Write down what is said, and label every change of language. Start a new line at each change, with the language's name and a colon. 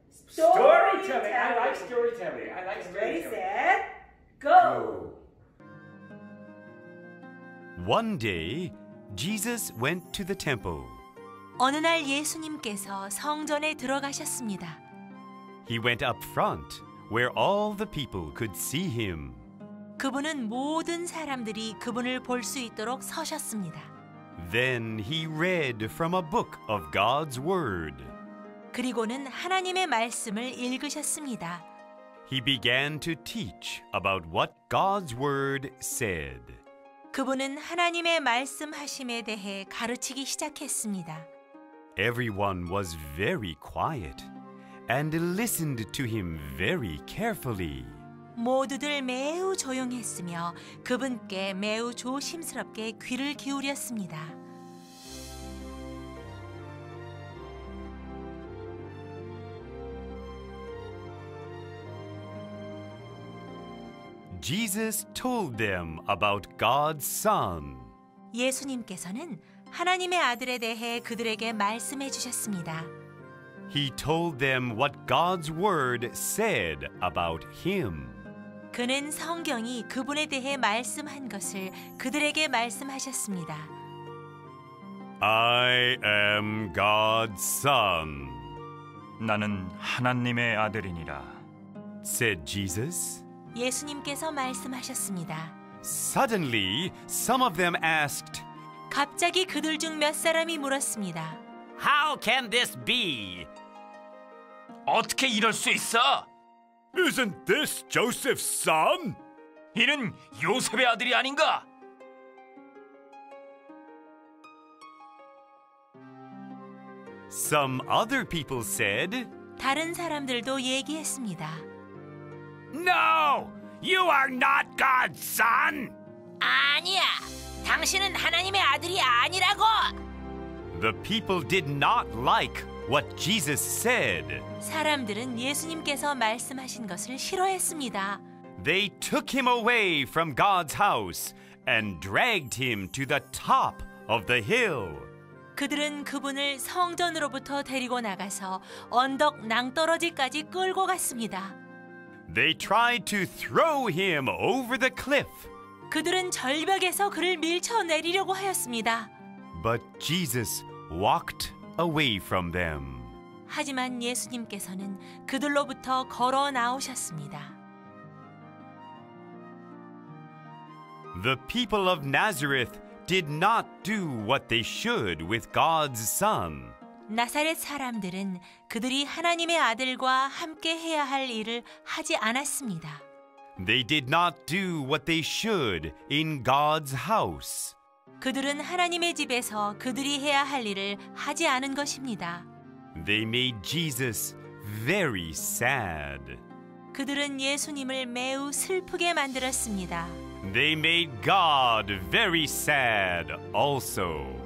English: Storytelling. I like storytelling. Ready, set, go. One day, Jesus went to the temple.
Korean: 어느 날 예수님께서 성전에 들어가셨습니다.
English: He went up front, where all the people could see him.
Korean: 그분은 모든 사람들이 그분을 볼 수 있도록 서셨습니다.
English: Then he read from a book of God's word.
Korean: 그리고는 하나님의 말씀을 읽으셨습니다.
English: He began to teach about what God's word said.
Korean: 그분은 하나님의 말씀하심에 대해 가르치기 시작했습니다.
English: Everyone was very quiet and listened to him very carefully.
Korean: 모두들 매우 조용했으며 그분께 매우 조심스럽게 귀를 기울였습니다.
English: Jesus told them about God's Son.
Korean: 예수님께서는 하나님의 아들에 대해 그들에게 말씀해 주셨습니다.
English: He told them what God's word said about him.
Korean: 그는 성경이 그분에 대해 말씀한 것을 그들에게 말씀하셨습니다.
English: I am God's Son.
Korean: 나는 하나님의 아들이니라.
English: Said Jesus.
Korean: 예수님께서 말씀하셨습니다.
English: Suddenly, some of them asked.
Korean: 갑자기 그들 중 몇 사람이 물었습니다.
English: How can this be?
Korean: 어떻게 이럴 수 있어?
English: Isn't this Joseph's son?
Korean: 이는 요셉의 아들이 아닌가?
English: Some other people said.
Korean: 다른 사람들도 얘기했습니다.
English: No! You are not God's son!
Korean: 아니야! 당신은 하나님의 아들이 아니라고!
English: The people did not like what Jesus said.
Korean: 사람들은 예수님께서 말씀하신 것을 싫어했습니다.
English: They took him away from God's house and dragged him to the top of the hill.
Korean: 그들은 그분을 성전으로부터 데리고 나가서 언덕 낭떠러지까지 끌고 갔습니다.
English: They tried to throw him over the cliff.
Korean: 그들은 절벽에서 그를 밀쳐내리려고 하였습니다.
English: But Jesus walked away from them.
Korean: 하지만 예수님께서는 그들로부터 걸어 나오셨습니다.
English: The people of Nazareth did not do what they should with God's son.
Korean: 나사렛 사람들은 그들이 하나님의 아들과 함께 해야 할 일을 하지 않았습니다.
English: They did not do what they should in God's house.
Korean: 그들은 하나님의 집에서 그들이 해야 할 일을 하지 않은 것입니다.
English: They made Jesus very sad.
Korean: 그들은 예수님을 매우 슬프게 만들었습니다.
English: They made God very sad also.